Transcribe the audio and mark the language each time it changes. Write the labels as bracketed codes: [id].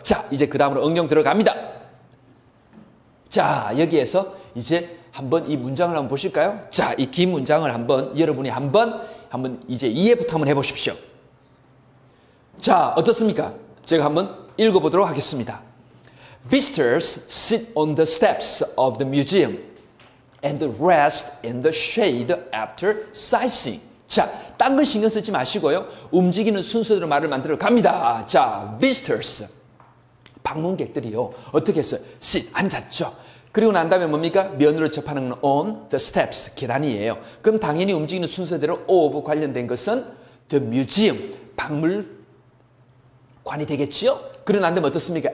[ko] 자, 이제 그 다음으로 응용 들어갑니다. 자, 여기에서 이제 한번 이 문장을 한번 보실까요? 자, 이 긴 문장을 한번 여러분이 한번 이제 이해부터 한번 해보십시오. 자, 어떻습니까? 제가 한번 읽어보도록 하겠습니다. [en] Visitors sit on the steps of the museum and rest in the shade after sightseeing. [ko] 자, 딴 걸 신경 쓰지 마시고요. 움직이는 순서대로 말을 만들어 갑니다. 자, visitors. 방문객들이요. 어떻게 했어요? Sit, 앉았죠. 그리고 난 다음에 뭡니까? 면으로 접하는 건 [en] on the steps, [ko] 계단이에요. 그럼 당연히 움직이는 순서대로 of 관련된 것은 the museum, 박물관이 되겠지요? 그리고 난 다음에 어떻습니까?